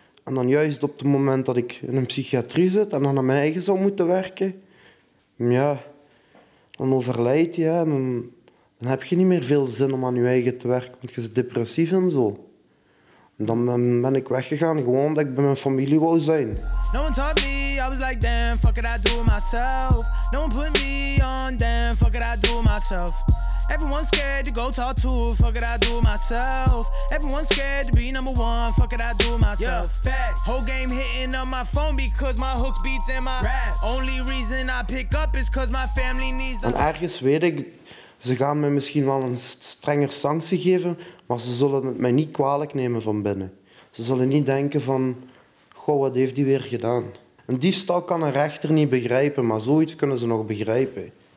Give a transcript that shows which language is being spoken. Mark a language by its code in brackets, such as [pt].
[nl] En dan juist op het moment dat ik in een psychiatrie zit en dan aan mijn eigen zou moeten werken. Ja, dan overlijdt hij, ja, en dan heb je niet meer veel zin om aan je eigen te werken, want je bent depressief en zo. Dan ben ik weggegaan, gewoon omdat ik bij mijn familie wou zijn. [en] No one taught me, I was like, damn, fuck it, I do it myself. No one put me on, damn, fuck it, I do it myself. Everyone's scared to go talk to, fuck it, I do it myself. Everyone's scared to be number one, fuck it, I do it myself. Yeah, facts. Whole game hitting on my phone because my hooks beats in my rap. Only reason I pick up is because my family needs the... [nl] En ergens weet ik, ze gaan me misschien wel een strenger sanctie geven... Maar ze zullen het mij niet kwalijk nemen van binnen. Ze zullen niet denken van... Goh, wat heeft die weer gedaan? Een diefstal kan een rechter niet begrijpen, maar zoiets kunnen ze nog begrijpen.